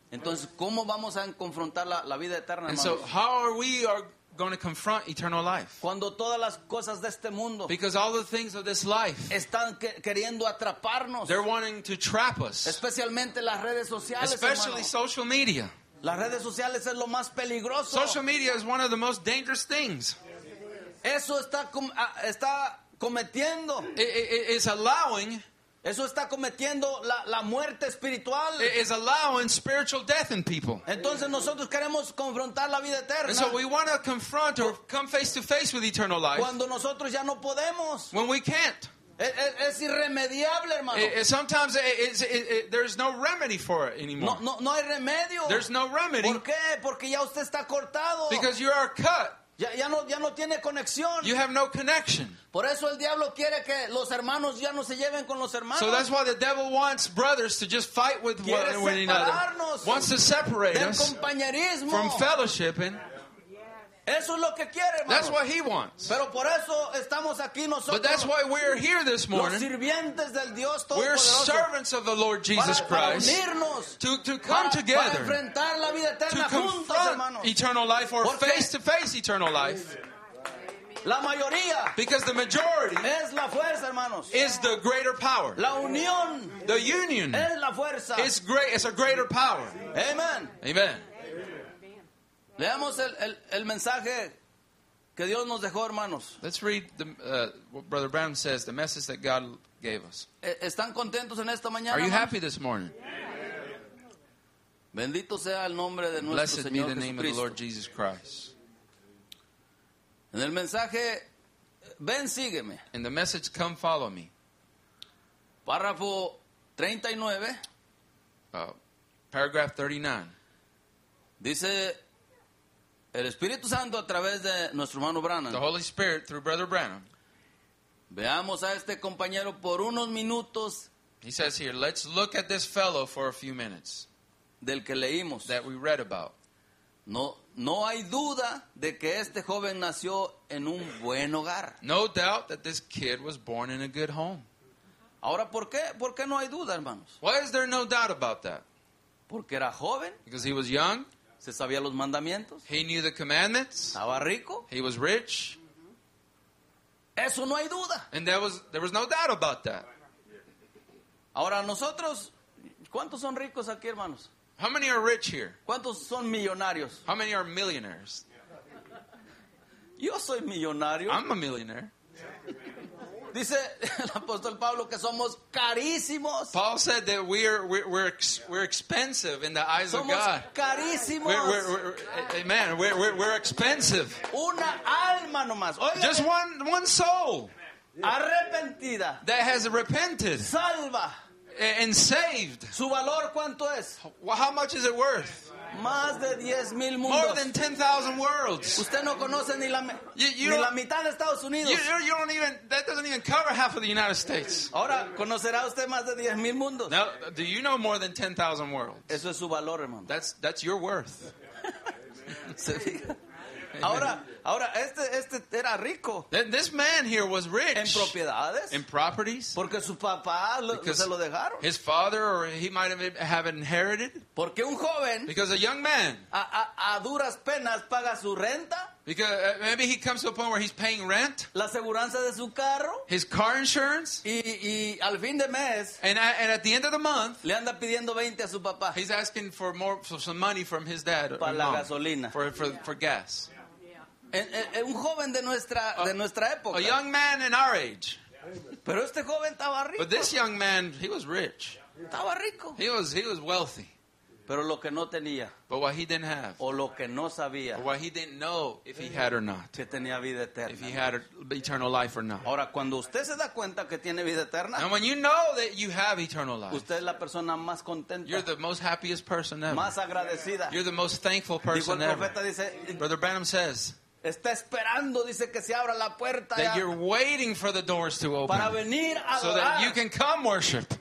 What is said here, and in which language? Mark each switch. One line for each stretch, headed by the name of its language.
Spanish: Entonces, ¿cómo vamos a confrontar la vida eterna?
English: And so, how are we going to confront eternal life?
Spanish: Cuando todas las cosas de este mundo,
English: because all the things of this life,
Spanish: están queriendo atraparnos.
English: They're wanting to trap us.
Spanish: Especialmente las redes sociales,
English: especially Social media.
Spanish: Las redes sociales es lo más peligroso.
English: Social media is one of the most dangerous things.
Spanish: Eso está cometiendo.
English: It's allowing.
Spanish: Eso está cometiendo la muerte espiritual.
English: It is allowing spiritual death in people.
Spanish: Entonces nosotros queremos confrontar la vida eterna.
English: And so we want to confront or come face to face with eternal life.
Spanish: Cuando nosotros ya no podemos.
English: When we can't.
Spanish: Es irremediable, hermano.
English: Sometimes there's no remedy for it anymore.
Spanish: No hay remedio.
English: There's no remedy.
Spanish: ¿Por qué? Porque ya usted está cortado.
English: Because you are cut.
Spanish: Ya no tiene conexión.
English: You have no connection.
Spanish: Por eso el diablo quiere que los hermanos ya no se lleven con los hermanos.
English: So that's why the devil wants brothers to just fight with one another. Wants to separate us
Spanish: compañerismo.
English: From fellowshipping.
Spanish: Eso es lo que quiere, hermano.
English: That's what he wants.
Spanish: Pero por eso estamos aquí nosotros.
English: But that's why we're here this morning.
Spanish: Los sirvientes del Dios todopoderoso.
English: We're servants of the Lord Jesus Christ.
Spanish: Para unirnos.
English: To come together.
Spanish: Para enfrentar la vida eterna juntos, hermano.
English: To confront eternal life or face to face eternal life.
Spanish: La mayoría.
English: Because the majority.
Spanish: Es la fuerza, hermanos.
English: Is the greater power.
Spanish: La unión.
English: The union.
Spanish: Es la fuerza.
English: It's a greater power.
Spanish: Amen.
English: Amen.
Spanish: Leamos el mensaje que Dios nos dejó, hermanos.
English: Let's read what Brother Brown says, the message that God gave us.
Spanish: ¿Están contentos en esta mañana?
English: Are you happy this morning?
Spanish: Bendito sea el nombre de nuestro Señor
English: Blessed be the name of the Lord Jesus Christ.
Spanish: En el mensaje, ven, sígueme.
English: In the message, come follow me.
Spanish: Párrafo 39.
English: Paragraph 39.
Spanish: Dice el Espíritu Santo a través de nuestro hermano Branham.
English: The Holy Spirit through Brother Branham.
Spanish: Veamos a este compañero por unos minutos.
English: He says here, let's look at this fellow for a few minutes.
Spanish: Del que leímos.
English: That we read about.
Spanish: No hay duda de que este joven nació en un buen hogar.
English: No doubt that this kid was born in a good home.
Spanish: Ahora, ¿por qué no hay duda, hermanos?
English: Why is there no doubt about that?
Spanish: Porque era joven.
English: Because he was young.
Spanish: Se sabía los mandamientos.
English: He knew the commandments.
Spanish: Estaba rico.
English: He was rich.
Spanish: Eso no hay duda.
English: And there was no doubt about that.
Spanish: Ahora nosotros, ¿cuántos son ricos aquí, hermanos?
English: How many are rich here?
Spanish: ¿Cuántos son millonarios?
English: How many are millionaires?
Spanish: Yo soy millonario.
English: I'm a millionaire.
Spanish: Dice el apóstol Pablo que somos carísimos.
English: Paul said that we're expensive in the eyes
Spanish: somos
English: of God.
Spanish: Somos carísimos.
English: We're expensive.
Spanish: Una alma nomás. Oiga,
English: just one soul.
Spanish: Arrepentida.
English: That has repented.
Spanish: Salva.
English: And saved.
Spanish: Su valor, ¿cuánto es?
English: Well, how much is it worth?
Spanish: Más de 10,000 mundos.
English: More than 10,000 worlds.
Spanish: Usted no conoce ni la mitad de Estados Unidos.
English: You don't even, that doesn't even cover half of the United States.
Spanish: Ahora, ¿conocerá usted más de 10,000 mundos?
English: Now, do you know more than 10,000 worlds?
Spanish: Eso es su valor, hermano.
English: That's your worth.
Spanish: Ahora este era rico.
English: This man here was rich.
Spanish: En propiedades.
English: In properties.
Spanish: Porque su papá se lo dejaron.
English: His father or he might have inherited.
Spanish: Porque un joven.
English: Because a young man.
Spanish: A duras penas paga su renta.
English: Because maybe he comes to a point where he's paying rent.
Spanish: La aseguranza de su carro.
English: His car insurance.
Spanish: Y al fin de mes.
English: And at the end of the month.
Spanish: Le anda pidiendo 20 a su papá.
English: He's asking for more, for some money from his dad.
Spanish: Para la gasolina.
English: For gas.
Spanish: Un joven de nuestra época.
English: A young man in our age.
Spanish: Pero este joven estaba rico.
English: But this young man, he was rich.
Spanish: Estaba rico.
English: He was wealthy.
Spanish: Pero lo que no tenía,
English: but what he didn't have.
Spanish: O lo que no sabía,
English: or what he didn't know if he had or not.
Spanish: Que tenía vida eterna.
English: If he had eternal life or not.
Spanish: Ahora, cuando usted se da cuenta que tiene vida eterna,
English: and when you know that you have eternal life,
Spanish: usted es la persona más contenta,
English: you're the most happiest person ever.
Spanish: Más agradecida.
English: You're the most thankful person ever.
Spanish: Profeta dice,
English: Brother Branham says,
Spanish: está esperando, dice, que se abra la puerta
English: that you're waiting for the doors to open
Spanish: para venir a
English: so
Spanish: adorar.
English: That you can come worship.